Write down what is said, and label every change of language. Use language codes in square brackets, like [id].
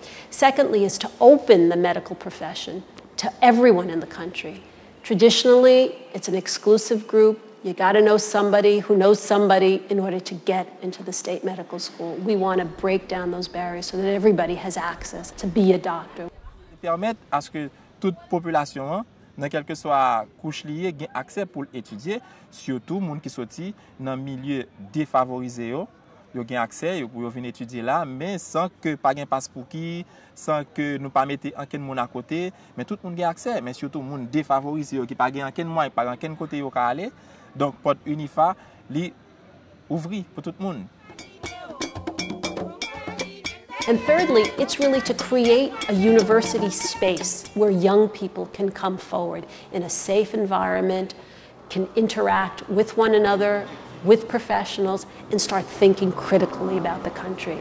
[en] Secondly, is to open the medical profession to everyone in the country. Traditionally, it's an exclusive group. You got to know somebody who knows somebody in order to get into the state medical school. We want to break down those barriers so that everybody has access to be a doctor. It permits that [ht] toute the population, dans quelque soit couche liée, gain accès pour étudier, surtout monde qui sorti dans milieu défavorisé yo, yo gain accès yo pour venir étudier là, mais sans que pas gain passe pour qui, sans que nous pas mettre aucun monde à côté, mais tout monde gain accès, mais surtout monde défavorisé yo qui pas gain aucun moyen, pas aucun côté yo ka aller. Donc porte Unifa li ouvri pour tout monde. [en] And thirdly, it's really to create a university space where young people can come forward in a safe environment, can interact with one another, with professionals, and start thinking critically about the country.